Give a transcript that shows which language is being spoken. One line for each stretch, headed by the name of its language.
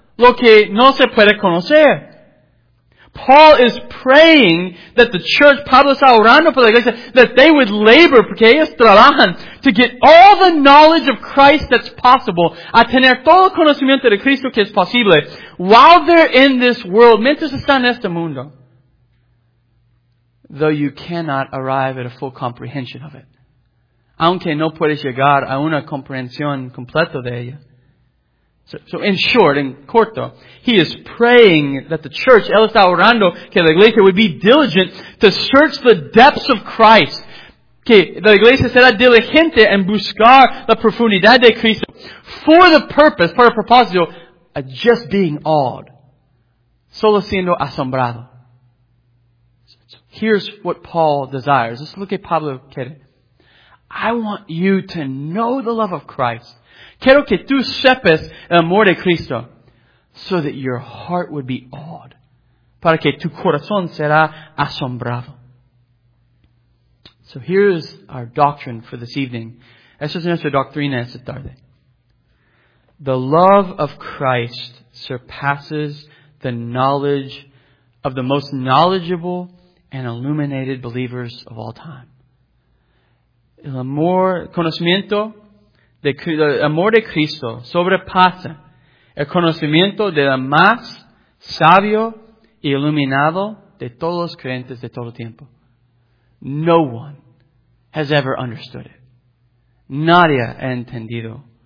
Spanish: Lo que no se puede conocer.
English: Paul is praying that the church,
Spanish: Pablo está orando por la iglesia,
English: that they would labor,
Spanish: porque ellos trabajan,
English: to get all the knowledge of Christ that's possible,
Spanish: a tener todo el conocimiento de Cristo que es posible,
English: while they're in this world,
Spanish: mientras están en este mundo.
English: Though you cannot arrive at a full comprehension of it.
Spanish: Aunque no puedes llegar a una comprensión completa de ella.
English: So in short, in corto, he is praying that the church,
Spanish: él está orando que la iglesia
English: would be diligent to search the depths of Christ.
Spanish: Que la iglesia será diligente en buscar la profundidad de Cristo
English: for the purpose,
Spanish: para el propósito,
English: of just being awed.
Spanish: Solo siendo asombrado.
English: So here's what Paul desires. Let's look at
Spanish: Pablo quiere.
English: I want you to know the love of Christ.
Spanish: Quiero que tú sepas el amor de Cristo
English: so that your heart would be awed.
Spanish: Para que tu corazón será asombrado.
English: So here's our doctrine for this evening.
Spanish: Esa es nuestra doctrina esta tarde.
English: The love of Christ surpasses the knowledge of the most knowledgeable and illuminated believers of all time.
Spanish: El amor, conocimiento, el amor de Cristo sobrepasa el conocimiento de la más sabio y iluminado de todos los creyentes de todo tiempo.
English: No one has ever understood it.
Spanish: Nadie ha entendido.